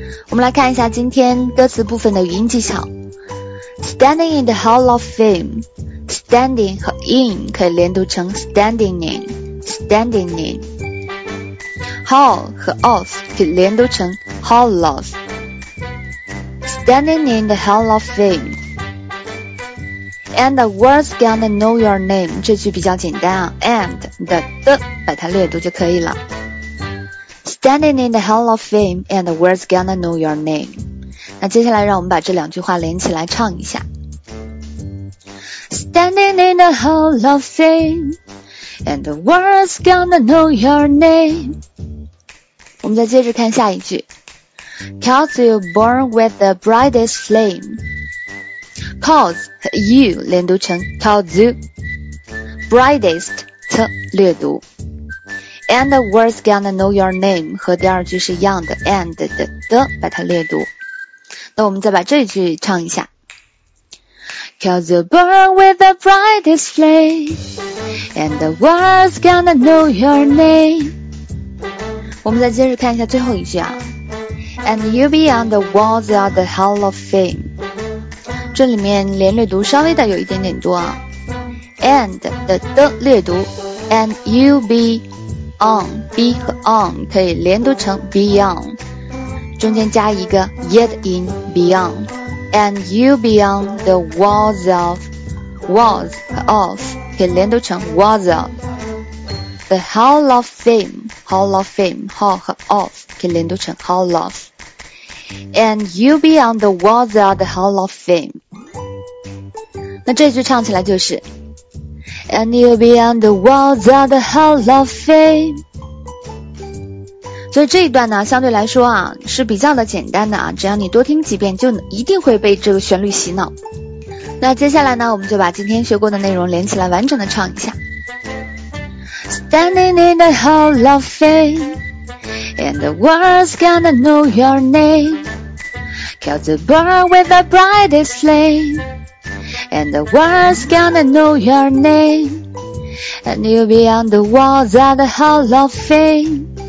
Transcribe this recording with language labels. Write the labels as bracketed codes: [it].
[zh] 我们来看一下今天歌词部分的语音技巧。 [en] Standing in the Hall of Fame， Standing 和 in [zh] 可以连读成 [en] Standing in， Standing in。 Hall 和 of [zh] 可以连读成 [en] Hall of。 Standing in the Hall of Fame， And the world's gonna know your name， [zh] 这句比较简单啊， And 的把它略读就可以了。 [en] Standing in the Hall of Fame and the world's gonna know your name. [zh] 那接下来让我们把这两句话连起来唱一下。 [en] Standing in the Hall of Fame and the world's gonna know your name. [zh] 我们再接着看下一句。 [en] Cause you burn with the brightest flame. Cause 和 you [zh] 连读成 [en] cause you. [zh] Brightest 则略读。 [en] And the world's gonna know your name [zh] 和第二句是一样的 [en] and [zh] 的把它略读。那我们再把这句唱一下。 [en] Cause you burn with the brightest flame and the world's gonna know your name。 [zh] 我们再接着看一下最后一句啊。 [en] And you'll be on the walls of the Hall of Fame。 [zh] 这里面连略读稍微的有一点点多啊。 And 的略读。 And you'll beOn, be 和 on 可以连读成 beyond，中间加一个 yet in beyond， and you be on the walls of， walls 和 of 可以连读成 walls of， the hall of fame， hall of fame， hall 和 of 可以连读成 hall of， and you be on the walls of the hall of fame。那这句唱起来就是 [en] And you'll be on the walls of the Hall of Fame。 [zh] 所以这一段呢，相对来说啊，是比较的简单的啊，只要你多听几遍，就一定会被这个旋律洗脑。那接下来呢，我们就把今天学过的内容连起来完整的唱一下。 [en] Standing in the Hall of Fame And the world's gonna know your name Cause you burn with the brightest flameAnd the world's gonna know your name And you'll be on the walls of the Hall of Fame。